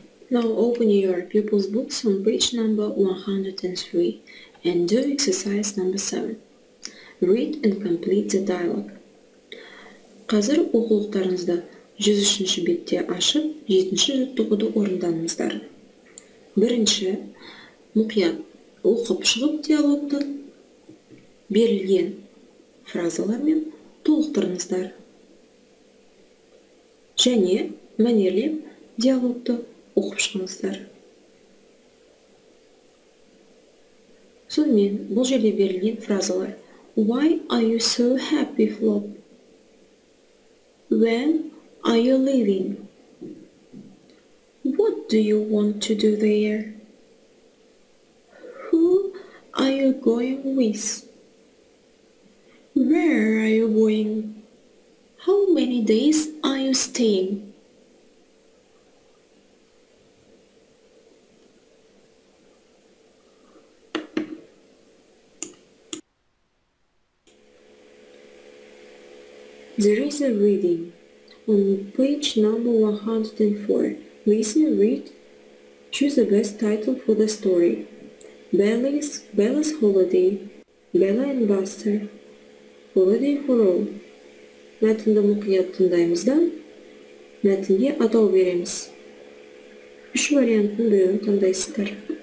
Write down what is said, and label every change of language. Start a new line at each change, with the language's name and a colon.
English: Now open your pupils' books on page number 103 and do exercise number 7. Read and complete the dialogue.
Kazakh: Қазір оқулықтарыңызды 103-ші бетте ашып, 7-ші жаттығуды орындаңыздар. Бірінші, мұқият оқып шығып диалогты берілген фразалармен толықтырыңыздар. Және мәнерлеп диалогты оқып шығыңыздар. Сонымен бұл жерде берілген фразалар.
English: Why are you so happy, Flop? When are you leaving? What do you want to do there? Who are you going with? Where are you going? How many days are you staying? There is a reading on page number 104. Listen, read, choose the best title for the story. Bella's Holiday, Bella and Buster, Holiday for All.
Kazakh: Мәтінді мұқият тыңдаймыз да, мәтінге атау береміз. Үш вариантын біреуін таңдайсыздар.